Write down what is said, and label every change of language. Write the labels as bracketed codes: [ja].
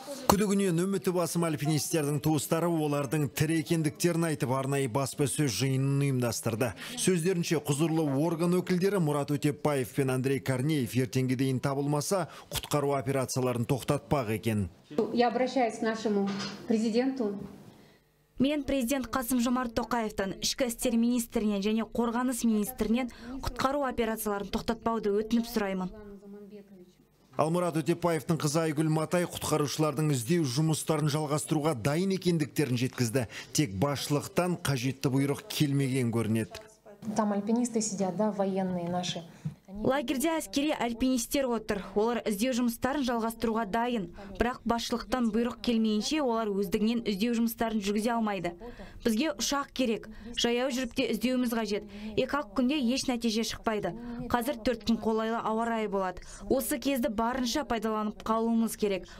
[kk] Күдігінен үміті басым альпинистердің туыстары олардың тірі екендіктерін айтып арнайы баспасөз жиынын ұйымдастырды. Сөздерінше құзырлы орган өкілдері Мұрат Өтепбаев пен Андрей Корнеев ертеңге дейін табылмаса, құтқару операцияларын тоқтатпақ екен. [ru] Я обращаюсь к нашему президенту. [kk] Мен президент Қасым Жомарт Тоқаевтан, ішкі істер министрінен және қорғаныс министрінен құтқару операцияларын тоқтатпауды өтініп сұраймын. Ал Мұрат Өтепбаевтың қызы Айгүл Матай құтқарушылардың іздеу жұмыстарын жалғастыруға дайын екендіктерін жеткізді. Тек басшылықтан қажетті бұйрық келмеген көрінеді. [ru] Там альпинисты сидят, да, военные наши. [kk] Лагерде әскери альпинистер отыр. Олар іздеу жұмыстарын жалғастыруға дайын. Бірақ басшылықтан бұйрық келмейінше, олар өздігінен іздеу жұмыстарын жүргізе алмайды. Бізге ұшақ керек. Жаяу жүріп те іздеуіміз қажет. Екі-ақ күнде еш нәтиже шықпайды. Қазір төрт күн қолайлы ауа райы болады. Осы кезді барынша пайдаланып қалуымыз керек.